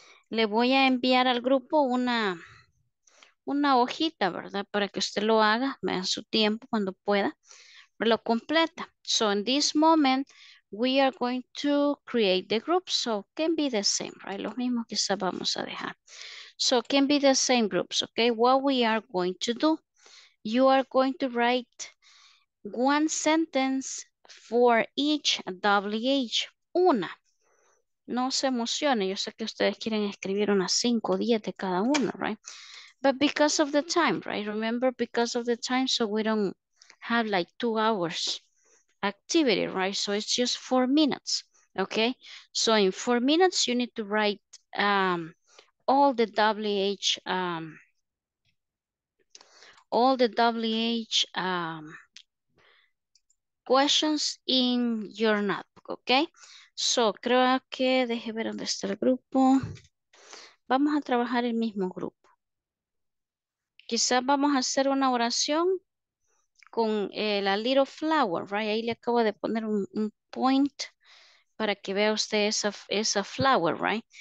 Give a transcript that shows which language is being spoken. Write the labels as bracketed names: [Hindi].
[Spanish] Le voy a enviar al grupo una hojita, verdad, para que usted lo haga, me da su tiempo cuando pueda, lo completa. [English] So in this moment, we are going to create the group, so can be the same, right? [Spanish] Los mismos quizás vamos a dejar. [English] So can be the same groups, okay? What we are going to do, you are going to write one sentence for each WH, [Spanish] una. No se emocione, yo sé que ustedes quieren escribir unas 5 o 10 de cada uno, right? [English] But because of the time, right? Remember, because of the time, so we don't have like 2 hours. Activity, right? So it's just 4 minutes, okay? So in 4 minutes, you need to write all the WH, questions in your notebook, okay? [Spanish] So creo que, deje ver dónde está el grupo. Vamos a trabajar el mismo grupo. Quizás vamos a hacer una oración con la [English] little flower, [Spanish] right? Ahí le acabo de poner un point para que vea usted esa flower, right?